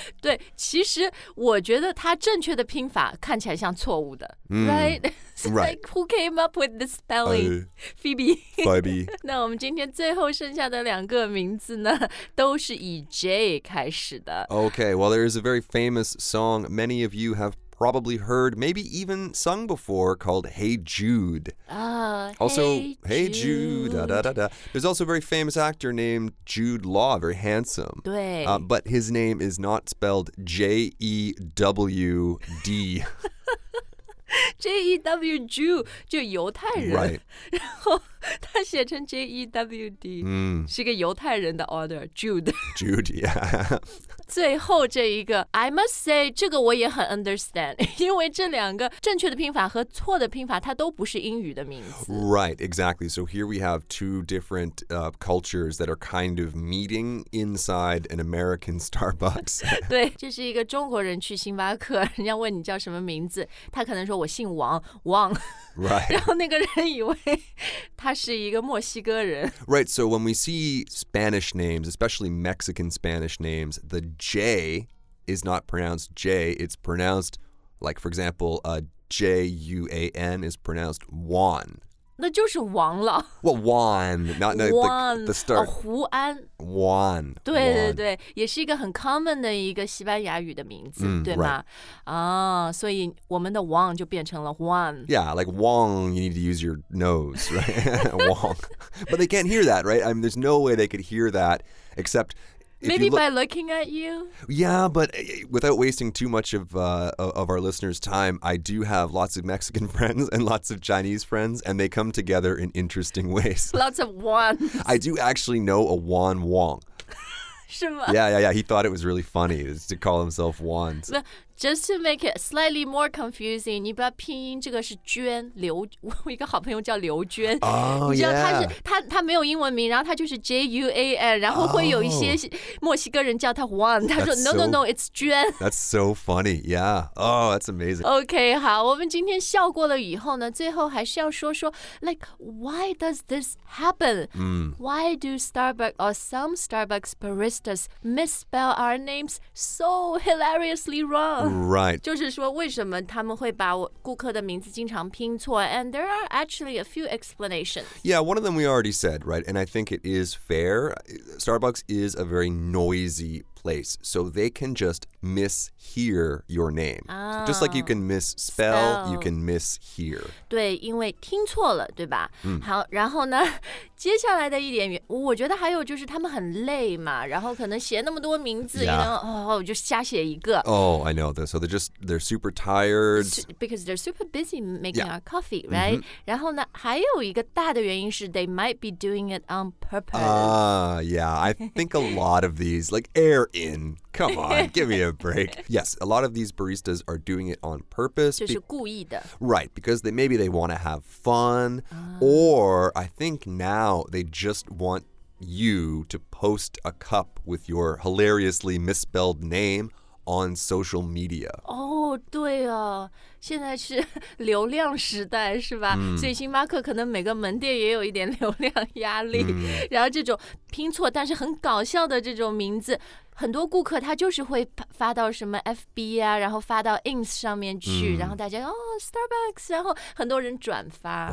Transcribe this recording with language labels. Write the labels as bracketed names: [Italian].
[Chinese] 对，其实我觉得它正确的拼法看起来像错误的 [English] Right. Like, who came up with this spelling? Phoebe. Phoebe. [Chinese] 那我们今天最后剩下的两个名字呢，都是以 J 开始的。 [English] Okay, well, there is a very famous song many of you have probably heard, maybe even sung before, called Hey Jude. Also, Hey Jude. Da, da, da, da. There's also a very famous actor named Jude Law, very handsome. [Chinese] 对。 [English] But his name is not spelled J-E-W-D. J-E-W, Jew, [Chinese] 就犹太人。 [English] Right. [Chinese] 然后他写成 J-E-W-D、是个犹太人的 order Jude [English] Jude、 [Chinese] 最后这一个 [English] I must say [Chinese] 这个我也很 understand 因为这两个正确的拼法和错的拼法它都不是英语的名字 [English] Right, exactly So here we have two different、cultures that are kind of meeting inside an American Starbucks [Chinese] 对这是一个中国人去星巴克人家问你叫什么名字他可能说我姓王 Wang [English] Right. [Chinese] 然后那个人以为他是一个墨西哥人。 [English] Right, so when we see Spanish names, especially Mexican Spanish names, the J is not pronounced J, it's pronounced, like for example, J-U-A-N is pronounced Juan. [Chinese] 那就是王了。 [English] Well, Juan, not no, Juan, the start. Juan, 胡安。 Juan. [Chinese] 对对对，也是一个很 common 的一个西班牙语的名字，对吗？啊，所以我们的 Juan 就变成了 Juan. [English] Yeah, like Wong, you need to use your nose, right? Wong. But they can't hear that, right? I mean, there's no way they could hear that except... Maybe by looking at you? Yeah, but without wasting too much of our listeners' time, I do have lots of Mexican friends and lots of Chinese friends, and they come together in interesting ways. Lots of Juans. I do actually know a Juan Wong. 是吗? Yeah, yeah, yeah. He thought it was really funny to call himself Juan. But just to make it slightly more confusing, [Chinese] 你不要拼音这个是娟刘，我一个好朋友叫刘娟。 [English] Oh, yeah. [Chinese] 你知道他没有英文名，然后他就是 J-U-A-N, 然后会有一些墨西哥人叫他 Juan, 他说 [English] no, no, no, it's [Chinese] 娟。 [English] That's so funny, yeah. Oh, that's amazing. [Chinese] Okay, 好，我们今天笑过了以后呢，最后还是要说 [English] like, why does this happen? Why do Starbucks or some Starbucks baristas misspell our names so hilariously wrong? Right. [Chinese] 就是说为什么他们会把顾客的名字经常拼错 [English] And there are actually a few explanations. Yeah, one of them we already said, right? And I think it is fair. Starbucks is a very noisy place, so they can just mishear your name.、 Oh, just like you can misspell, you can mishear. [Chinese] 对，因为听错了，对吧？好，然后呢，接下来的一点，我觉得还有就是他们很累嘛，然后可能写那么多名字，然后哦，就瞎写一个。 [English] Oh, I know this. So they're super tired. Because they're super busy making、yeah. our coffee, right?、Mm-hmm. [Chinese] 然后呢，还有一个大的原因是 [English] they might be doing it on purpose. Yeah, I think a lot of these, like air in, come on, give me a break. Yes, a lot of these baristas are doing it on purpose. [Chinese] 就是故意的。 [English] Right, because maybe they want to have fun,、or I think now they just want you to post a cup with your hilariously misspelled name. On social media. [Chinese] Oh, 对哦，现在是流量时代，是吧？所以星巴克可能每个门店也有一点流量压力。然后这种拼错但是很搞笑的这种名字，很多顾客他就是会发到什么 FB 啊，然后发到 Ins 上面去，然后大家哦 Starbucks， 然后很多人转发。